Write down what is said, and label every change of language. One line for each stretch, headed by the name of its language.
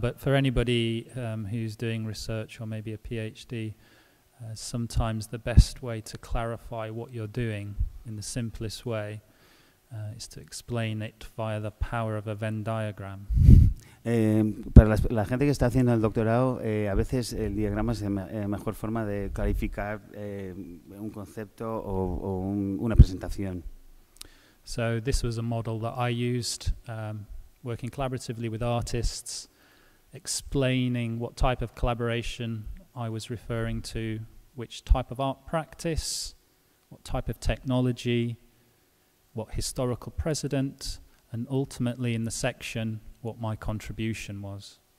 English: But for anybody who's doing research or maybe a PhD, sometimes the best way to clarify what you're doing in the simplest way is to explain it via the power of a Venn diagram.
Spanish: Para la gente que está haciendo el doctorado, a veces el diagrama es la mejor forma de clarificar un concepto o una presentación.
English: So this was a model that I used, working collaboratively with artists, explaining what type of collaboration I was referring to, which type of art practice, what type of technology, what historical precedent, and ultimately in the section, what my contribution was.